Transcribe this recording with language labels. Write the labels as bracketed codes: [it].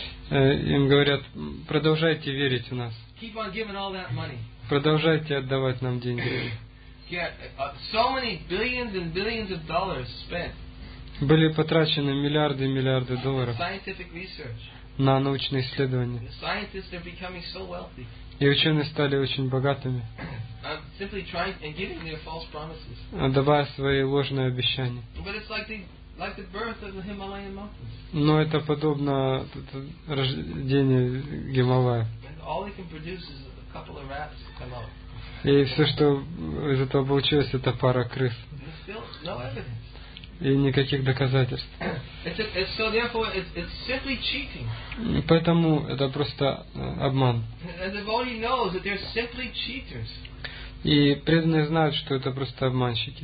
[ru] Им говорят, продолжайте верить в нас. [en] Keep on giving all that money. [ru] Продолжайте отдавать нам деньги. [en] So many billions and billions of dollars spent. [ru] Были потрачены миллиарды и миллиарды долларов на научные исследования. [en] The scientists are becoming so wealthy. [ru] И ученые стали очень богатыми. [en] Simply trying and giving their false promises. [ru] Отдавая свои ложные обещания. [en] But it's like the birth of the Himalayan mountains. [ru] Но это подобно рождению Гималая. [en] All they can produce is a couple of rats come out. [ru] И все, что из этого получилось, это пара крыс. [en] Still no evidence. [ru] И никаких доказательств. [en] So therefore, it's simply cheating. [ru] Поэтому это просто обман. [en] And the devotee knows that they're simply cheaters. [ru] И преданные знают, что это просто обманщики.